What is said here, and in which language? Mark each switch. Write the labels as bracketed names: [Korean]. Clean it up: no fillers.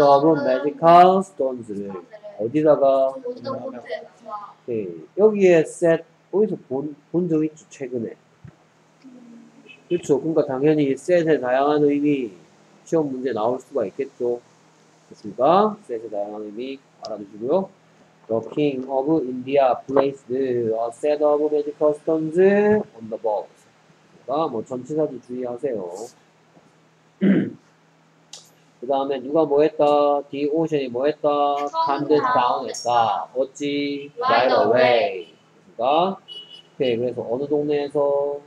[English] of magical stones를 [Korean] 어디다가? 네. 여기에 set 어디서 본 적 있죠? 최근에 그렇죠. 그러니까 당연히 set의 다양한 의미 시험 문제 나올 수가 있겠죠. 됐습니까? set의 다양한 의미 알아두시고요. [English] The King of India placed a set of magical stones on the ball. [Korean] 아, 뭐 전치사도 주의하세요. 그 다음에 누가 뭐했다? [English] The ocean [Korean] 이 뭐했다? [English] Calmed down [Korean] 했다. 어찌? [English] Right away. [Korean] 그니까? 오케이, 그래서 어느 동네에서?